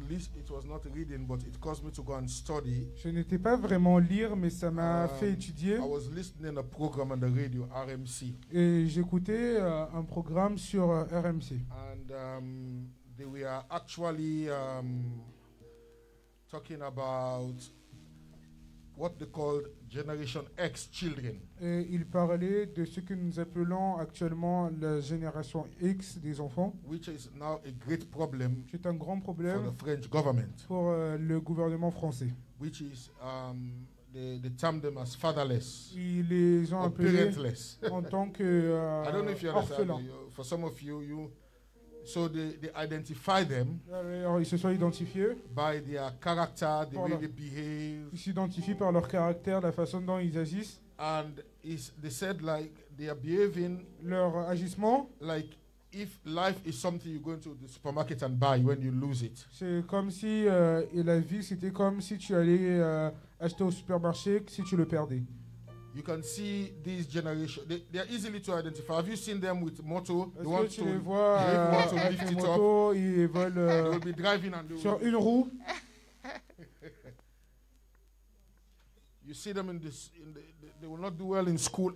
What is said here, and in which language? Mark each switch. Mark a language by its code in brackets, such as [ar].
[en] It was not reading, but it caused me to go and study. [fr] Je n'étais pas vraiment lire, mais ça m'a fait étudier. [en] I was listening a program on the radio, RMC. [fr] Et j'écoutais un programme sur RMC. [en] And they were actually talking about what they called Generation X children. [fr] Et il parlait de ce que nous appelons actuellement la génération X des enfants, [en] which is now a great problem, [fr] c'est un grand problème [en] for the French government, [fr] pour le gouvernement français, [en] which is they termed them as fatherless. [fr] Ils les ont appelés en tant que [en] I don't know if you [fr] orphelins. [en] For some of you, you so they identify them. [fr] Alors, ils se sont identifiés [en] by their character, the way they behave. [fr] Ils s'identifient par leur caractère, la façon dont ils agissent. [en] And is they said like they are behaving [fr] leur agissement [en] like if life is something you go into the supermarket and buy when you lose it. [fr] C'est comme si la vie c'était comme si tu allais acheter au supermarché si tu le perdais. [en] You can see these generation. They are easily to identify. Have you seen them with moto? They want to lift it up. They will be driving and [fr] sur une roue. [en] see them in this, in the, they will not do well in school.